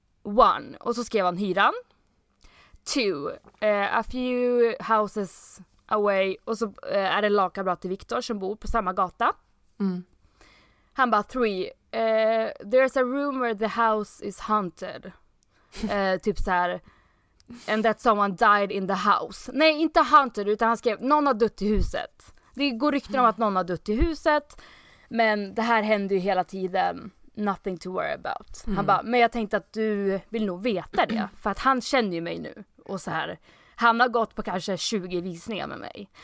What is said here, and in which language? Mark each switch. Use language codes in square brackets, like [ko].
[en] One, [sv] och så skrev han hyran. [en] Two, a few houses away. [sv] Och så är det lakanbrott till Victor som bor på samma gata. Mm. Han bara, [en] three, there's a rumor the house is haunted. [sv] Typ så här, [en] and that someone died in the house. [sv] Nej, inte haunted, utan han skrev, någon har dött i huset. Det går rykten om att någon har dött i huset, men det här händer ju hela tiden. [en] Nothing to worry about. [sv] Mm. Han bara, men jag tänkte att du vill nog veta det, för att han känner ju mig nu. Och så här, han har gått på kanske 20 visningar med mig.